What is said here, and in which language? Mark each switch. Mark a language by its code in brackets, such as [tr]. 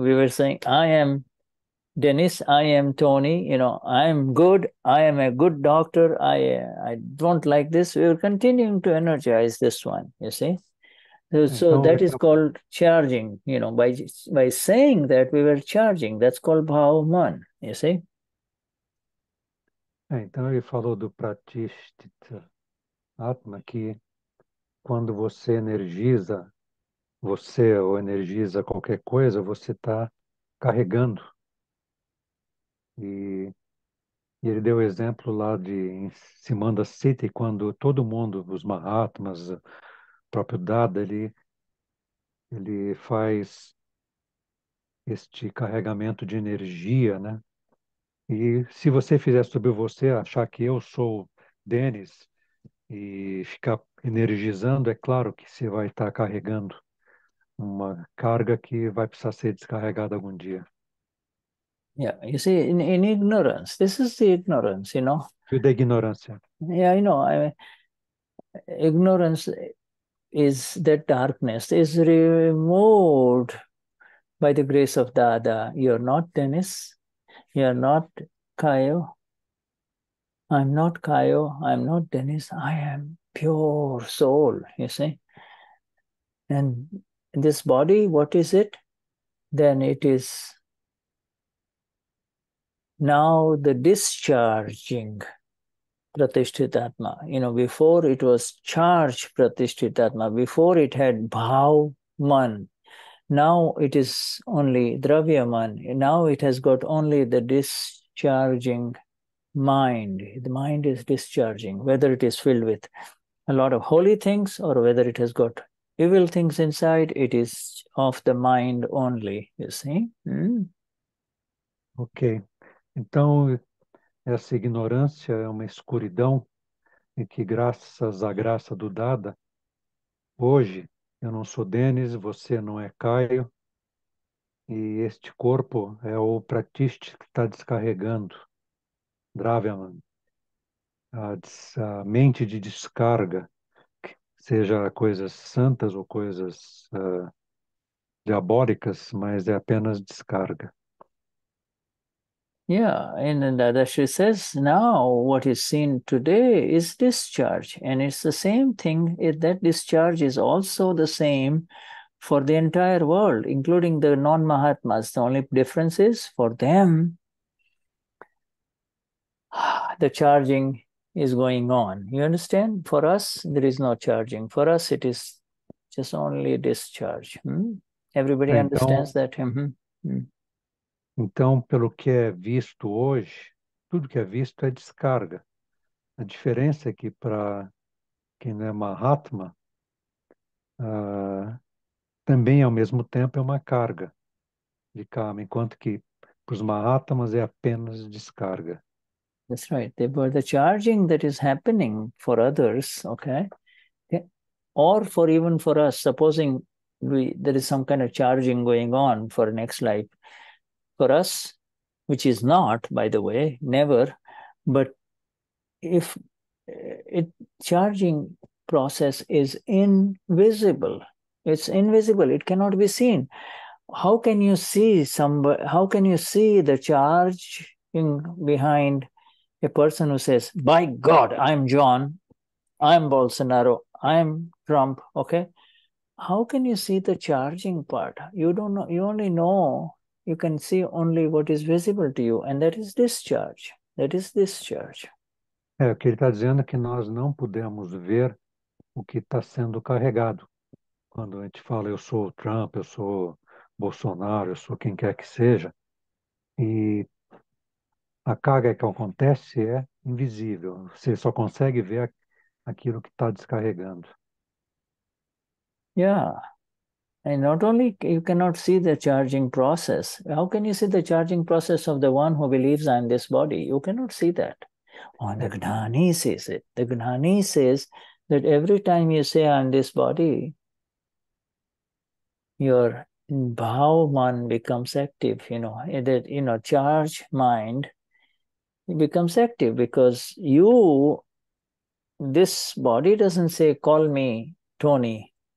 [en] We were saying, I am Dennis, I am Tony, you know, I am good, I am a good doctor, I don't like this. We were continuing to energize this one, you see. So that is called charging, you know, by saying that we were charging, that's called bhav man, you see. [pt] É, então ele falou do pratishtita Atma, que quando você energiza você ou energiza qualquer coisa, você está carregando. E ele deu o exemplo lá de em Simanda City, quando todo mundo, os mahatmas, o próprio Dada, ele faz este carregamento de energia, né? E se você fizer sobre você, achar que eu sou Denis e ficar energizando, é claro que você vai estar carregando uma carga que vai precisar ser descarregada algum dia. [en] Yeah, you see, in ignorance, this is the ignorance, you know. [pt] Da ignorância. [en] Yeah, I know. I mean, ignorance is that darkness is removed by the grace of Dada. You're not Dennis. You're not Kayo. I'm not Kayo. I'm not Dennis. I am pure soul, you see. And this body, what is it? Then it is. Now the discharging pratishthitatma. You know, before it was charged pratishthitatma, before it had bhav man. Now it is only dravyaman. Now it has got only the discharging mind. The mind is discharging, whether it is filled with a lot of holy things or whether it has got evil things inside, it is of the mind only, you see. [pt] Ok, então essa ignorância é uma escuridão em que, graças à graça do Dada, hoje eu não sou Denis, você não é Caio, e este corpo é o pratishti que está descarregando, Dravyaman, a mente de descarga, seja coisas santas ou coisas diabólicas, mas é apenas descarga. [en] Yeah, and Dadashri says now what is seen today is discharge, and it's the same thing. That discharge is also the same for the entire world, including the non-Mahatmas. The only difference is for them, the charging is going on. You understand? For us, there is no charging. For us, it is just only discharge. Everybody understands [pt] Então, [en] that. [pt] pelo que é visto hoje, tudo que é visto é descarga. A diferença é que, para quem não é Mahatma, também, ao mesmo tempo, é uma carga de karma, enquanto que, para os Mahatmas, é apenas descarga. [en] That's right. But the charging that is happening for others, or for even for us, supposing there is some kind of charging going on for next life, for us, which is not, by the way, never, but if it charging process is invisible, it's invisible, it cannot be seen. How can you see somebody, how can you see the charge in behind a person who says, "By God, I'm John, I'm Bolsonaro, I'm Trump," okay? How can you see the charging part? You don't know. You only know, you can see only what is visible to you, and that is discharge. That is discharge. [pt] É, o que ele está dizendo é que nós não podemos ver o que está sendo carregado. Quando a gente fala, eu sou o Trump, eu sou o Bolsonaro, eu sou quem quer que seja, e a carga que acontece é invisível. Você só consegue ver aquilo que está descarregando. [en] Yeah, and not only you cannot see the charging process, how can you see the charging process of the one who believes I'm this body? You cannot see that. Oh, the Gnani sees it. The Gnani says that every time you say I'm this body, your Bhavman becomes active, that charged mind becomes active because you, this body doesn't say, call me Tony.